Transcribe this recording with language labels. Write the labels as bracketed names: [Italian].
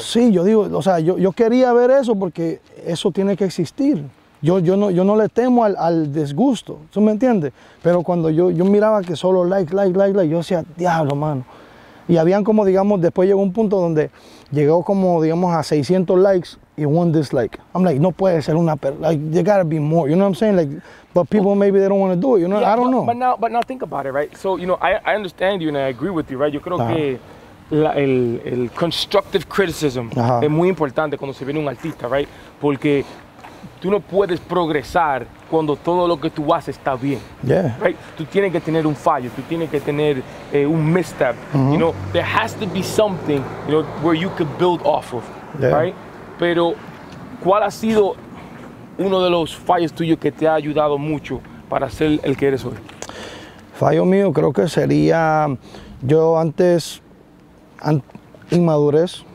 [Spanish] Sí, yo digo, o sea, yo quería ver eso porque eso tiene que existir. Yo no le temo al disgusto, ¿tú me entiendes? Pero cuando yo miraba que solo like, yo decía, diablo, mano. Y habían como, digamos, después llegó un punto donde llegó como, digamos, a 600 likes y [English] one dislike. I'm like, [Spanish] no puede ser una persona. [English] Like, there gotta be more, you know what I'm saying? Like, but people, well, maybe they don't want to do it, you know? Yeah, I don't know. But now think about it, right? So, you know, I understand you and I agree with you, right? [Spanish] Yo creo que el constructive criticism es muy importante cuando se viene un artista, [English] right? [Spanish] Porque tú no puedes progresar cuando todo lo que tú haces está bien. [English] Yeah. Right? [Spanish] Tú tienes que tener un fallo, tú tienes que tener un misstep. [English] Mm-hmm. You know, there has to be something, you know, where you could build off of. Yeah. Right? [Spanish] Pero ¿cuál ha sido uno de los fallos tuyos que te ha ayudado mucho para ser el que eres hoy? Fallo mío creo que sería yo antes inmadurez.